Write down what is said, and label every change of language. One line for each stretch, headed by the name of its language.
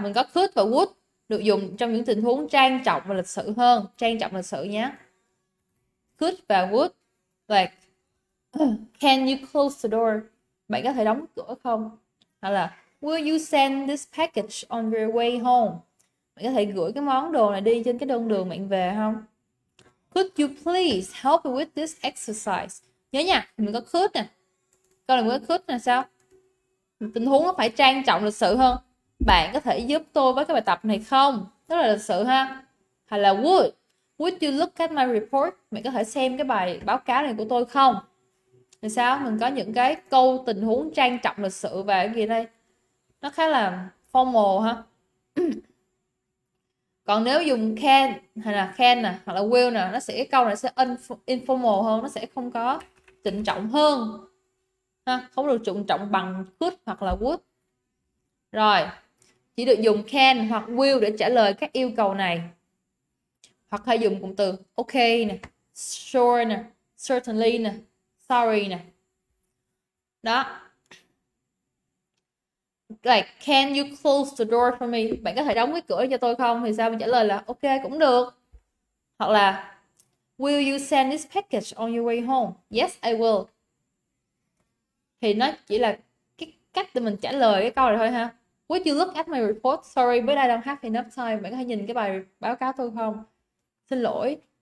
Vietnamese: Mình có could và would được dùng trong những tình huống trang trọng và lịch sự hơn. Trang trọng lịch sự nhé. Could và would.
English: Like, can you close the door?
Vietnamese: Bạn có thể đóng cửa không? Hoặc là,
English: will you send this package on your way home?
Vietnamese: Bạn có thể gửi cái món đồ này đi trên cái đơn đường bạn về không?
English: Could you please help me with this exercise?
Vietnamese: Nhớ nha, mình có could nè. Câu này mình có could nè, sao? Tình huống nó phải trang trọng lịch sự hơn. Bạn có thể giúp tôi với cái bài tập này không? Rất là lịch sự ha. Hay là would.
English: Would you look at my report?
Vietnamese: Mày có thể xem cái bài báo cáo này của tôi không? Thì sao? Mình có những cái câu tình huống trang trọng lịch sự và cái gì đây? Nó khá là formal ha. Còn nếu dùng can hay là can nè, hoặc là will nè, nó sẽ cái câu này sẽ informal hơn, nó sẽ không có trịnh trọng hơn. Ha, không được trịnh trọng bằng could hoặc là would. Rồi, chỉ được dùng can hoặc will để trả lời các yêu cầu này. Hoặc hay dùng cụm từ ok nè, sure nè, certainly nè, sorry nè. Đó.
English: Like, can you close the door for me?
Vietnamese: Bạn có thể đóng cái cửa cho tôi không? Thì sao mình trả lời là ok cũng được. Hoặc là
English: will you send this package on your way home? Yes, I will.
Vietnamese: Thì nó chỉ là cái cách để mình trả lời cái câu này thôi ha.
English: Would you look at my report? Sorry, but I don't have enough time.
Vietnamese: Bạn có thể nhìn cái bài báo cáo tôi không? Xin lỗi.